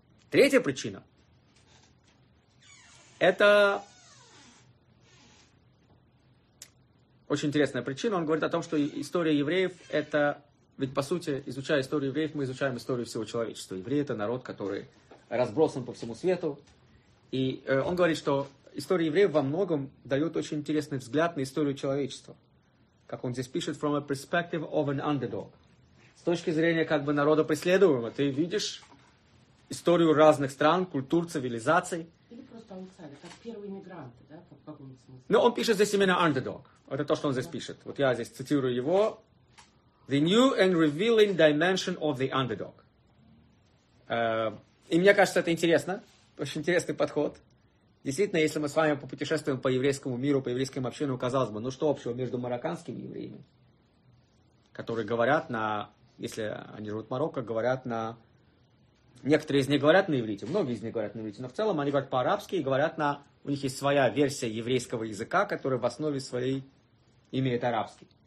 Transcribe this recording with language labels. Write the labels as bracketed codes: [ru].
[ru] Третья причина – это… Очень интересная причина. Он говорит о том, что история евреев – это… Ведь, по сути, изучая историю евреев, мы изучаем историю всего человечества. Евреи – это народ, который разбросан по всему свету. И он говорит, что история евреев во многом дает очень интересный взгляд на историю человечества. Как он здесь пишет, [en] from a perspective of an underdog. [ru] С точки зрения как бы народа преследуемого, ты видишь историю разных стран, культур, цивилизаций. Или просто аутсайдер, как первые мигранты, да, по какому-то смыслу. Но он пишет здесь именно underdog. Это то, что он здесь пишет. Вот я здесь цитирую его. [en] The new and revealing dimension of the underdog. [ru] И мне кажется, это интересно. Очень интересный подход. Действительно, если мы с вами попутешествуем по еврейскому миру, по еврейским общинам, казалось бы, ну что общего между марокканскими евреями, которые говорят на, если они живут в Марокко, говорят на, некоторые из них говорят на иврите, многие из них говорят на иврите, но в целом они говорят по-арабски и говорят на, у них есть своя версия еврейского языка, который в основе своей имеет арабский.